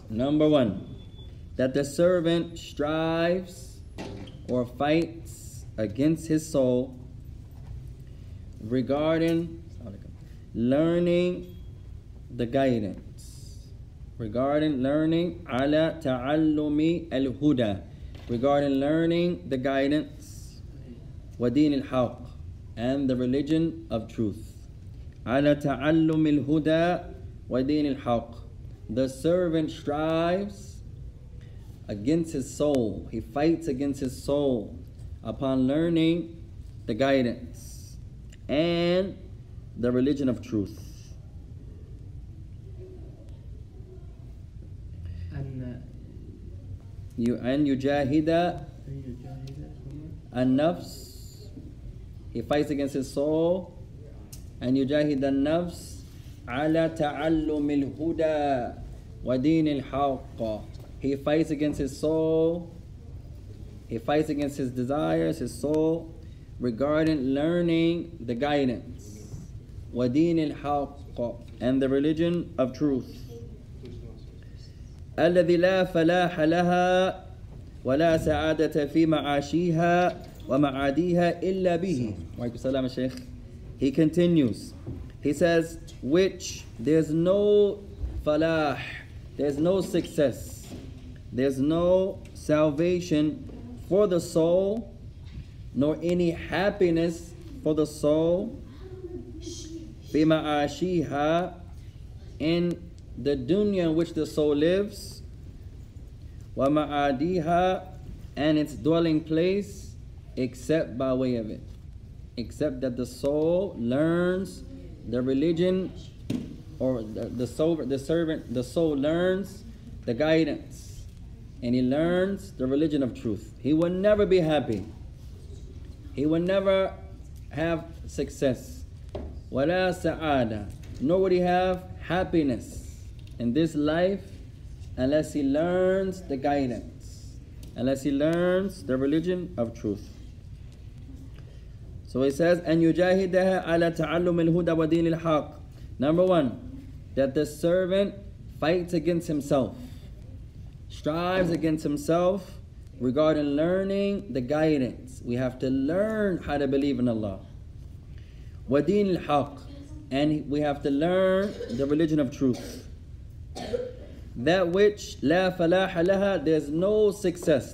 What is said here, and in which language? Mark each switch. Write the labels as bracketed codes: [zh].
[en] Number one, that the servant strives or fights against his soul regarding learning the guidance. Regarding learning, [ar] على تعلم الهدى. [en] Regarding learning the guidance, [ar] ودين الحق, [en] and the religion of truth. [ar] على تعلم الهدى ودين الحق. [en] The servant strives against his soul. He fights against his soul upon learning the guidance and the religion of truth. [ar] أن يجاهد النفس. [en] He fights against his soul. [ar] أن يجاهد النفس على تعلم الهدى ودين الحق. [en] He fights against his soul. He fights against his desires, his soul, regarding learning the guidance [ar] ودين الحق, [en] and the religion of truth. [ar] الذي لا فلاح لها ولا سعادة في معاشيها ومعاديها إلا به. وعليكم السلام الشيخ. [en] He continues. He says, which there's no falah, there's no success, there's no salvation for the soul, nor any happiness for the soul, [ar] في معاشيها, [en] in the dunya in which the soul lives, [ar] وَمَعَادِيهَا, [en] and its dwelling place, except by way of it. Except that the soul learns the religion, or the servant learns the guidance, and he learns the religion of truth. He will never be happy. He will never have success. [ar] وَلَا سَعَادَ, [en] nor would he have happiness in this life, unless he learns the guidance, unless he learns the religion of truth. So he says, [ar] أن يجاهدها على تعلم الهدى ودين الحق. [en] Number one, that the servant fights against himself, strives against himself regarding learning the guidance. We have to learn how to believe in Allah. [ar] ودين الحق, [en] And we have to learn the religion of truth. That which [ar] la falaha laha, [en] there's no success.